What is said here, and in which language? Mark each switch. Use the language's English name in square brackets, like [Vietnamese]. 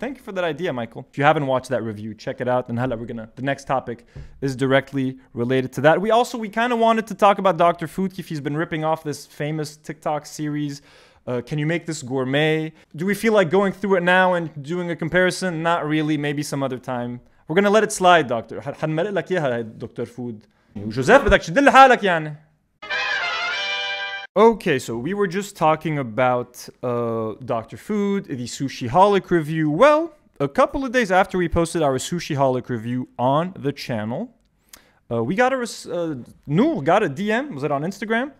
[English] Thank you for that idea, Michael. If you haven't watched that review, check it out. And هلا we're gonna, the next topic is directly related to that. We kind of wanted to talk about Dr. Food if he's been ripping off this famous TikTok series. Can you make this gourmet? Do we feel like going through it now and doing a comparison? Not really, maybe some other time. We're gonna let it slide, doctor. [Arabic] حنمرق لك اياها دكتور فود. جوزيف بدك تشدل حالك يعني. [English] Okay, so we were just talking about Dr. Food, the SushiHolic review. Well, a couple of days after we posted our SushiHolic review on the channel, we got a Noor got a DM. Was it on Instagram?